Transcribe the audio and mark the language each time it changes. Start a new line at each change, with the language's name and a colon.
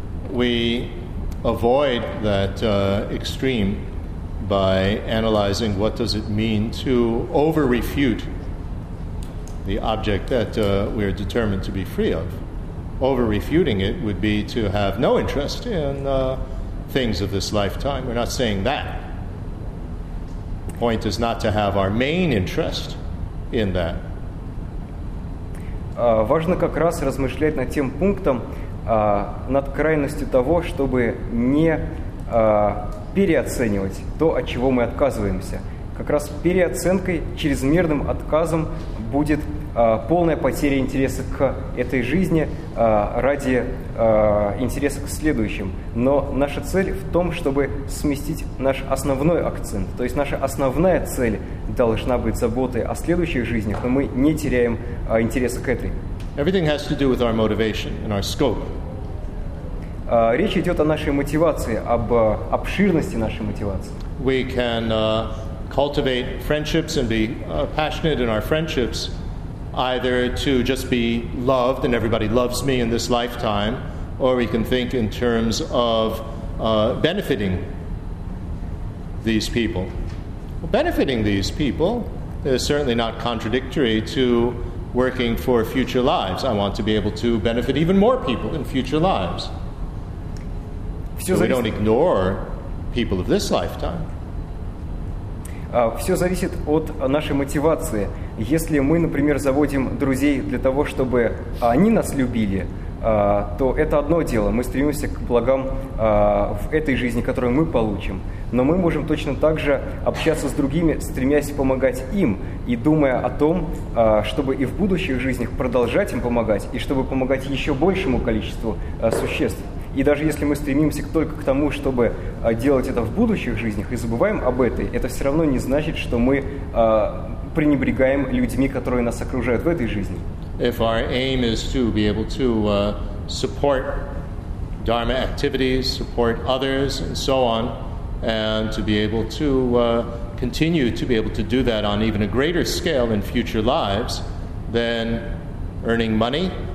English: We avoid that extreme by analyzing what does it mean to over-refute the object that we are determined to be free of. Over-refuting it would be to have no interest in things of this lifetime. We're not saying that. The point is not to have our main interest in that.
Russian: Важно как раз размышлять над тем пунктом, над крайностью того, чтобы не переоценивать то, от чего мы отказываемся. Как раз переоценкой, чрезмерным отказом будет полная потеря интереса к этой жизни ради интереса к следующим. Но наша цель в том, чтобы сместить наш основной акцент. То есть наша основная цель должна быть заботой о следующих жизнях, но мы не теряем интереса к этой.
English: Everything has to do with our motivation and our scope.
Russian: Речь идет о нашей мотивации, об обширности нашей мотивации.
English: We can cultivate friendships and be passionate in our friendships, either to just be loved and everybody loves me in this lifetime, or we can think in terms of benefiting these people. Well, benefiting these people is certainly not contradictory to working for future lives. I want to be able to benefit even more people in future lives. So we don't ignore people of this lifetime.
Russian: Все зависит от нашей мотивации. Если мы, например, заводим друзей для того, чтобы они нас любили, то это одно дело. Мы стремимся к благам в этой жизни, которую мы получим. Но мы можем точно так же общаться с другими, стремясь помогать им и думая о том, чтобы и в будущих жизнях продолжать им помогать и чтобы помогать еще большему количеству существ. И даже если мы стремимся только к тому, чтобы делать это в будущих жизнях и забываем об этой, это все равно не значит, что мы пренебрегаем людьми, которые нас окружают в этой жизни.
English: If our aim is to be able to support dharma activities, support others and so on, and to be able to continue to be able to do that on even a greater scale in future lives, then earning money